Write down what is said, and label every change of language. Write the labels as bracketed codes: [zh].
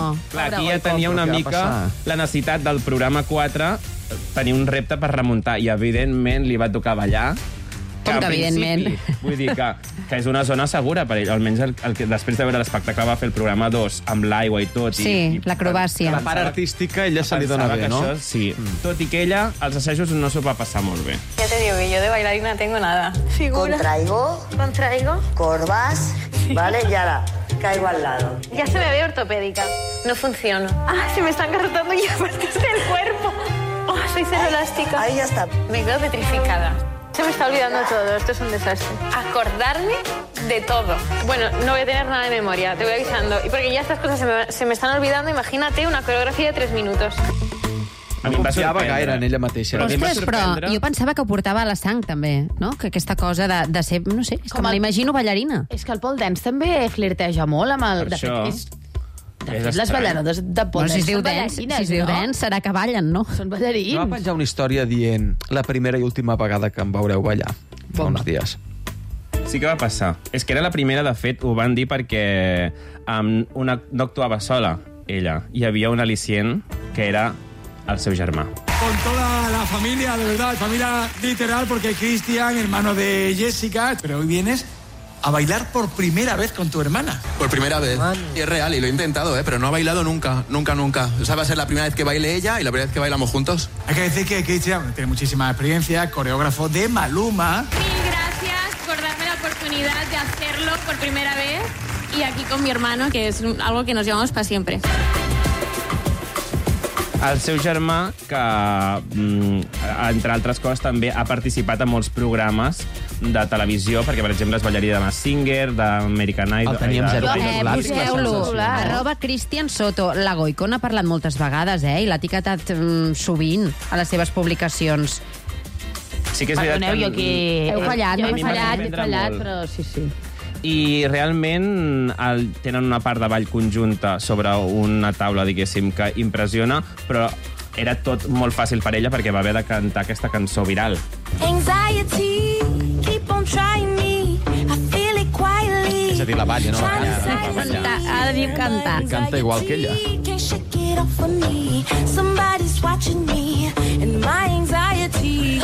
[ca] Clar, aquí ja tenia una mica la necessitat del programa 4 tenir un repte per remuntar i, evidentment, li va tocar ballar. Que, evidentment. Vull dir que és una zona segura per ell. Almenys el que, després de veure l'espectacle, va fer el programa 2 amb l'aigua i tot. Sí, l'acrobàcia. La part artística, ella se li dona bé, no? Això, sí. Tot i que ella, els assajos no s'ho va passar molt bé. [es] Ya te digo que yo de bailarina tengo nada. Figura. Contraigo. Contraigo. Corvas. Vale, y ahora caigo al lado. Ya se me ve ortopédica. No funciono. Ah, se me están garrotando ya partes del cuerpo. Oh, soy cero elástica. Ahí ya está. Me quedo petrificada. Se me está olvidando todo, esto es un desastre. Acordarme de todo. Bueno, no voy a tener nada de memoria, te voy avisando. Y porque ya estas cosas se me están olvidando, imagínate una coreografía de 3 minutos. [ca] No confiava gaire en ella mateixa. Ostres, però jo pensava que ho portava a la sang, també, no? Que aquesta cosa de ser, no sé, és com que me l'imagino ballarina. És que el pole dance també flirteja molt amb el... Per això... Les balladores de pole dance són ballarines, no? Si es diu dance, serà que ballen, no? Són ballarins. No va penjar una història dient la primera i última vegada que em veureu ballar. Bon, bons dies. Sí que va passar. És que era la primera, de fet, ho van dir perquè no actuava sola, ella. Hi havia un al·licient que era el seu germà. [es] Con toda la familia, de verdad, familia literal, porque Cristian, hermano de Jessica, pero hoy vienes... A bailar por primera vez con tu hermana. Por primera vez. Y es real, y lo he intentado, pero no ha bailado nunca, nunca, nunca. O sea, va a ser la primera vez que baile ella y la primera vez que bailamos juntos. Hay que decir que Cristian tiene muchísima experiencia, coreógrafo de Maluma. Mil gracias por darme la oportunidad de hacerlo por primera vez. Y aquí con mi hermano, que es algo que nos llevamos para siempre. [ca] El seu germà, que, entre altres coses, també ha participat en molts programes de televisió, perquè, per exemple, es ballarí de Massinger, d'American Idol... El teníem zero. Poseu-lo. Arroba Cristian Soto. La Goico n'ha parlat moltes vegades, i l'ha etiquetat sovint a les seves publicacions. Sí que és veritat que... Perdoneu, jo aquí... He fallat, però sí. I realment tenen una part de ball conjunta sobre una taula, diguéssim, que impressiona, però era tot molt fàcil per ella perquè va haver de cantar aquesta cançó viral. [en] Anxiety, keep on trying me, I feel it quietly. [ca] És a dir, la balla, no la canta. Ha de dir cantar. I canta igual que ella. [en] Can't shake it off for me, somebody's watching me, and my anxiety.